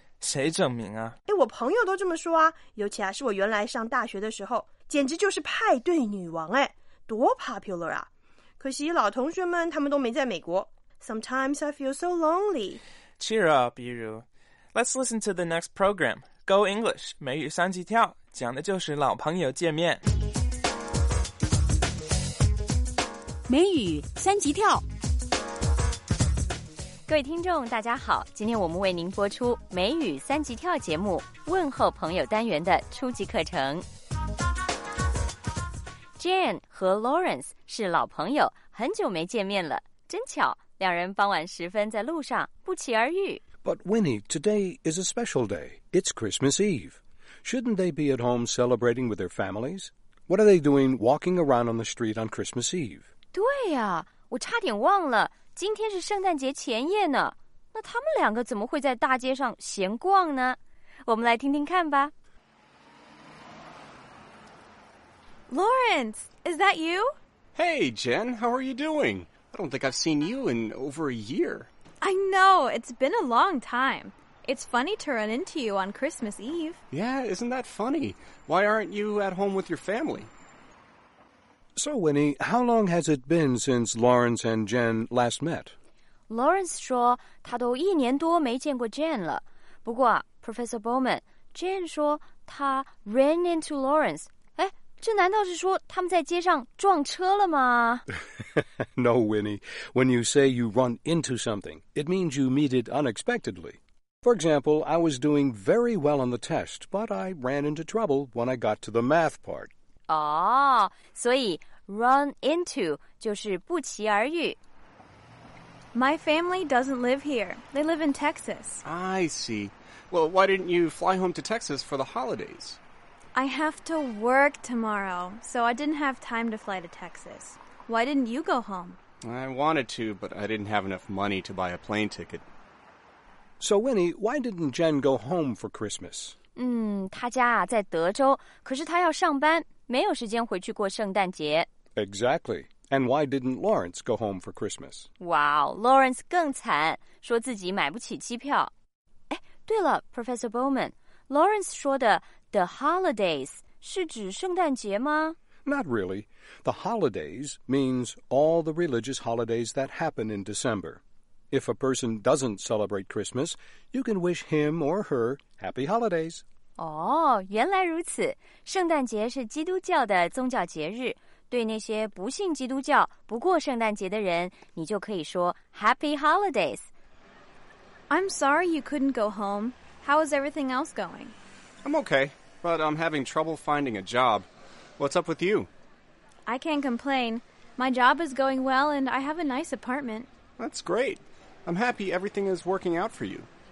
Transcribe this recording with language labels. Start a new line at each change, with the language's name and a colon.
Chinese: 谁证明啊？哎，我朋友都这么说啊，尤其啊是我原来上大学的时候，简直就是派对女王哎，多 popular 啊！可惜老同学们他们都没在美国。
English: Sometimes I feel so lonely. Cheer up, Yiru. Let's listen to the next program.
Chinese: Go English, 美语三级跳，讲的就是老朋友见面。美语三级跳。各位听众大家好，今天我们为您播出美语三级跳节目问候朋友单元的初级课程。 Jane 和 Lawrence 是老朋友，很久没见面了，真巧两人傍晚时分在路上不期而遇。
English: But Winnie, today is a special day. It's Christmas Eve. Shouldn't they be at home celebrating with their families? What are they doing walking around on the street on Christmas Eve?
Chinese: 对呀、啊、我差点忘了，今天是圣诞节前夜呢，那他们两个怎么会在大街上闲逛呢？我们来听听看吧。
English: Lawrence, is that you? Hey, Jen, how are you doing? I don't think I've seen you in over a year. I know, it's been a long time. It's funny to run into you on Christmas Eve. Yeah, isn't that funny? Why aren't you at home with your family? So, Winnie, how long has it been since Lawrence and Jen last met?
Chinese: Lawrence 说他都一年多没见过 Jen 了。不过、啊、Professor Bowman, Jen 说他
English: ran into
Chinese: Lawrence. 哎，这难道是说他们在街上撞车了吗？
English: No, Winnie. When you say you run into something, it means you meet it unexpectedly. For example, I was doing very well on the test, but I ran into trouble when I got to the math part.
Chinese: 哦、oh, ，所以
English: run into
Chinese: 就是不期而遇。
English: My family doesn't live here. They live in Texas. I see. Well, why didn't you fly home to Texas for the holidays? I have to work tomorrow, so I didn't have time to fly to Texas. Why didn't you go home? I wanted to, but I didn't have enough money to buy a plane ticket. So, Winnie, why didn't Jen go home for Christmas?
Chinese: 嗯，她家啊在德州，可是她要上班。没有时间回去过圣诞节。
English: Exactly. And why didn't Lawrence go home for Christmas?
Chinese: Wow, Lawrence 更惨，说自己买不起机票。哎，对了 ，Professor Bowman, Lawrence 说的
English: the holidays
Chinese: 是指圣诞节吗
English: ？Not really. The holidays means all the religious holidays that happen in December. If a person doesn't celebrate Christmas, you can wish him or her happy holidays.
Chinese: 哦，原来如此。圣诞节是基督教的宗教节日，对那些不信基督教、不过圣诞节的人，你就可以说
English: Happy Holidays。 I'm sorry you couldn't go home. How is everything else going? I'm okay, but I'm having trouble finding a job. What's up with you? I can't complain. My job is going well, and I have a nice apartment. That's great. I'm happy everything is working out for you.